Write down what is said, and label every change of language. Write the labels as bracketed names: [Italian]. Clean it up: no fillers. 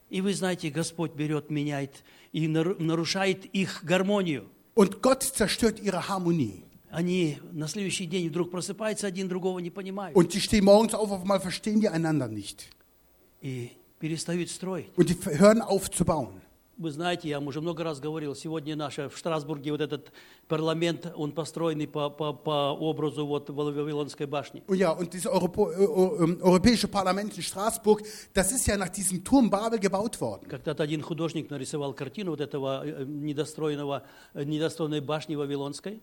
[Russian] И вы знаете, Господь берет, меняет и нарушает их гармонию. [German] Und Gott zerstört ihre Harmonie. [Russian] Они на следующий день вдруг просыпаются, один другого не понимают. [German] Und die stehen morgens auf einmal verstehen die einander nicht. [Russian] И перестают строить. [German] Und die hören auf zu bauen. [Russian] Вы знаете, я вам уже много раз говорил, сегодня наша в Штрасбурге вот этот парламент, он построен по образу вот Вавилонской башни. [German] Und ja, und dieses europäische Parlament in Straßburg, das ist ja nach diesem Turm Babel gebaut worden. [Russian] Когда-то один художник нарисовал картину вот этого недостроенной башни Вавилонской.